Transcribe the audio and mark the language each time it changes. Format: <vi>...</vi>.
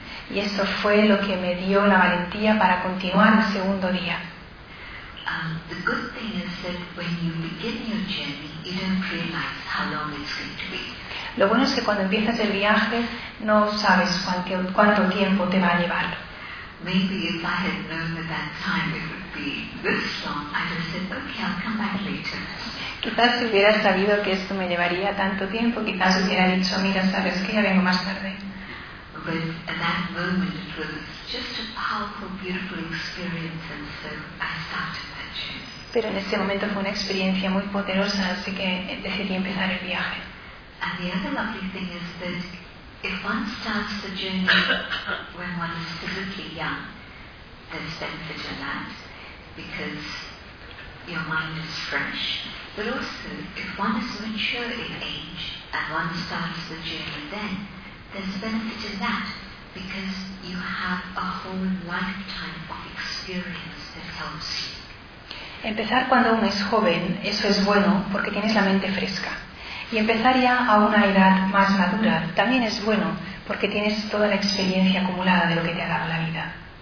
<es>Y eso fue lo que me dio la valentía para continuar el segundo día.</es> <en>The good thing is that when you begin your journey, you don't realize how long it's going to be.</en> <es>Lo bueno es que cuando empiezas el viaje, no sabes cuánto tiempo te va a llevar.</es> <en>Maybe if I had known at that time it would be this long, I'd have said, okay, I'll come back later.</en> <es>Quizás si hubiera sabido que esto me llevaría tanto tiempo, quizás hubiera dicho, mira, sabes que ya vengo más tarde.</es> <en>But at that moment it was just a powerful, beautiful experience, and so I started that journey.</en> <es>Pero en ese momento fue una experiencia muy poderosa, así que decidí empezar el viaje.</es> <en>And the other lovely thing is that if one starts the journey when one is physically young, there's benefit in that because your mind is fresh. But also, if one is mature in age and one starts the journey then, there's benefit in that because you have a whole lifetime of experience that helps you.</en> <es>Empezar cuando uno es joven, eso es bueno porque tienes la mente fresca. Y empezar ya a una edad más madura también es bueno porque tienes toda la experiencia acumulada de lo que te ha dado la vida.</es>